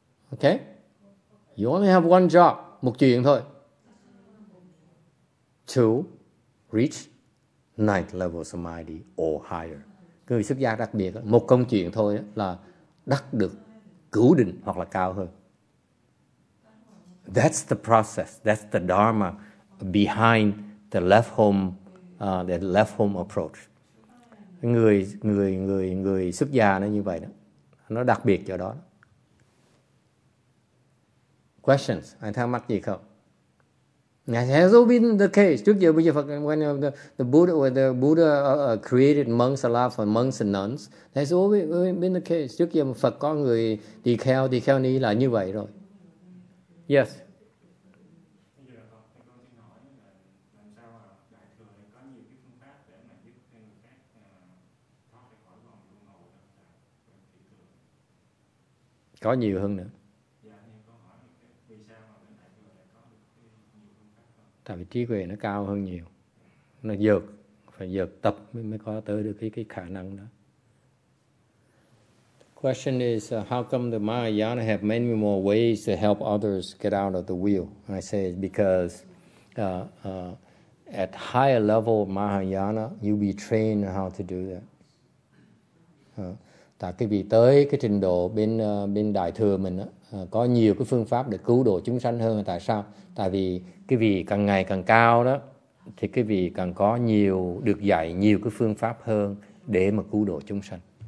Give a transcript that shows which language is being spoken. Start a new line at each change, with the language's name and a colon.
English: Okay? You only have one job.
Vietnamese: Một chuyện thôi.
English: To reach ninth level samadhi or higher.
Vietnamese: Người xuất gia đặc biệt, một công chuyện thôi là đắc được cửu định hoặc là cao hơn.
English: That's the process. That's the dharma behind the left home, approach.
Vietnamese: Người xuất gia nó như vậy đó. Nó đặc biệt chỗ đó.
English: Questions?
Vietnamese: Anh thắc mắc gì không?
English: It has all been the case.
Vietnamese: Trước giờ bây giờ
English: when the Buddha, when the Buddha created monks a lot for monks and nuns, that's always been the case.
Vietnamese: Trước giờ Phật có người đi theo ni là như vậy rồi.
English: Yes.
Vietnamese: Có nhiều hơn nữa. Tại vì trí huệ nó cao hơn nhiều. Nó dược, phải dược tập mới có tới được cái khả năng đó.
English: Question is, how come the Mahayana have many more ways to help others get out of the wheel? I say it's because at higher level Mahayana, you be trained how to do that.
Vietnamese: Tại cái vì tới cái trình độ bên bên đại thừa mình á, có nhiều cái phương pháp để cứu độ chúng sanh hơn. Tại sao? Tại vì cái vị càng ngày càng cao đó, thì cái vị càng có nhiều, được dạy nhiều cái phương pháp hơn để mà cứu độ chúng sanh.